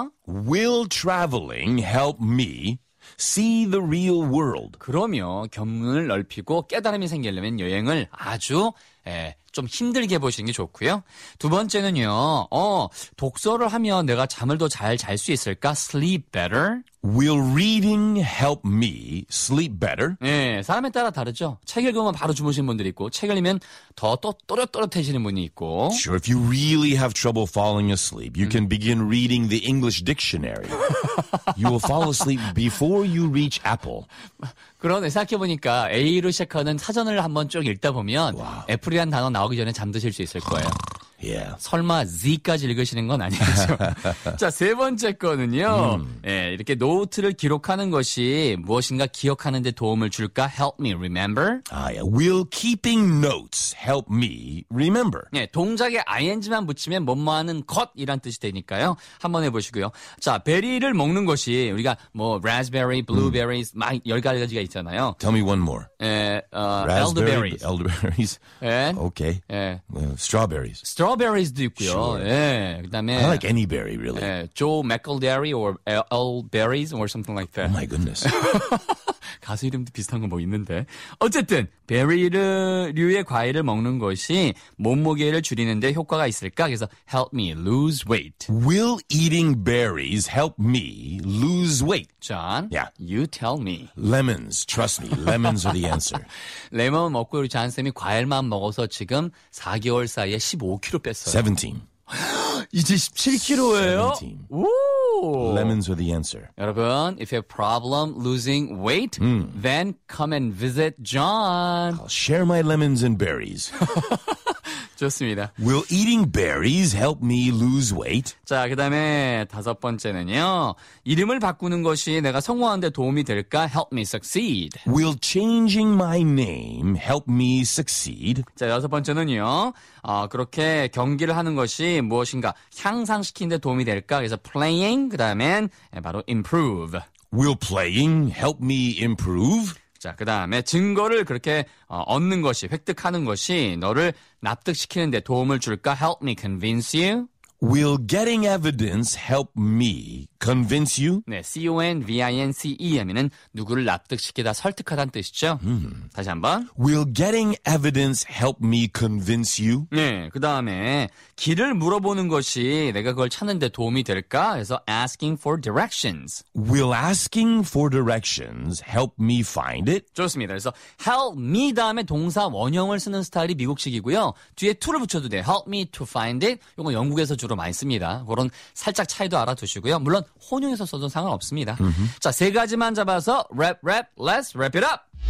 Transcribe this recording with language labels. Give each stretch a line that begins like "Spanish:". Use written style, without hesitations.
English: Will traveling help me see the real world?
Korean: 그럼요. 견문을 넓히고 깨달음이 생기려면 여행을 아주 좀 힘들게 보시는 게 좋고요. 두 번째는요. 독서를 하면 내가 잠을 더 잘 잘 수 있을까?
English: Sleep better? Will reading help me sleep better?
Korean: 네, 사람에 따라 다르죠. 책 읽으면 바로 주무시는 분들이 있고 책 읽으면 더 또 또렷또렷해지는 분이 있고.
English: Sure, if you really have trouble falling asleep, you can begin reading the English dictionary. You will fall asleep before you reach Apple.
Korean: 그런데 생각해보니까 A로 시작하는 사전을 한번 쭉 읽다 보면 애플이란 단어 나오기 전에 잠드실 수 있을 거예요.
English: Yeah.
Korean: 설마 Z까지 읽으시는 건 아니겠죠? 자, 세 번째 거는요. 예, 이렇게 노트를 기록하는 것이 무엇인가 기억하는 데 도움을 줄까?
English: Help me remember. Will keeping notes help me remember?
Korean: 예, 동작에 ing만 붙이면 뭐뭐 하는 것이란 뜻이 되니까요. 한번 해보시고요. 자, 베리를 먹는 것이 우리가 뭐 raspberry, blueberry, 막 열 가지가 있잖아요.
English: Tell me one more.
Korean: 예,
English: elderberries. Elderberries.
Korean: 예.
English: Okay.
Korean: 예.
English: Strawberries.
Korean: Strawberries도 있고요. Sure. 예, 그다음에
English: I like any berry, really. 예, Joe McElderry or L berries or something like that. Oh my goodness.
Korean: 가수 이름도 비슷한 거 뭐 있는데. 어쨌든 베리류의 과일을 먹는 것이 몸무게를 줄이는데 효과가 있을까?
English: 그래서 help me lose weight. Will eating berries help me lose weight? John, yeah. You tell me. Lemons, trust me. Lemons are the answer.
Korean: 레몬 먹고 우리 잔쌤이 과일만 먹어서 지금 4개월 사이에 15kg 뺐어요. 17. 이제 17kg예요?
English: 17. Lemons are the answer. 여러분, if you have a problem losing weight, then come and visit John. I'll share my lemons and berries.
Korean: 좋습니다.
English: Will eating berries help me lose weight?
Korean: 자, 그 다음에 다섯 번째는요. 이름을 바꾸는 것이 내가 성공하는데 도움이 될까?
English: Help me succeed. Will changing my name help me succeed?
Korean: 자, 여섯 번째는요. 그렇게 경기를 하는 것이 무엇인가 향상시키는데 도움이 될까? 그래서 playing, 그 다음엔 바로 improve.
English: Will playing help me improve?
Korean: 자, 그 다음에 증거를 그렇게 얻는 것이, 획득하는 것이 너를 납득시키는데 도움을 줄까?
English: Help me convince you. Will getting evidence help me convince you?
Korean: 네, C-O-N-V-I-N-C-E 하면은 누구를 납득시키다, 설득하다는 뜻이죠. 다시 한번.
English: Will getting evidence help me convince you?
Korean: 네, 그 다음에 길을 물어보는 것이 내가 그걸 찾는 데 도움이 될까?
English: 그래서 asking for directions. Will asking for directions help me find it?
Korean: 좋습니다. 그래서
English: help me
Korean: 다음에 동사 원형을 쓰는 스타일이 미국식이고요. 뒤에 to를 붙여도 돼요.
English: Help me to find it.
Korean: 이거 영국에서 주로 많이 씁니다. 그런 살짝 차이도 알아두시고요. 물론 혼용해서 써도 상관없습니다. 자, 세 가지만 잡아서 랩,
English: let's wrap it up!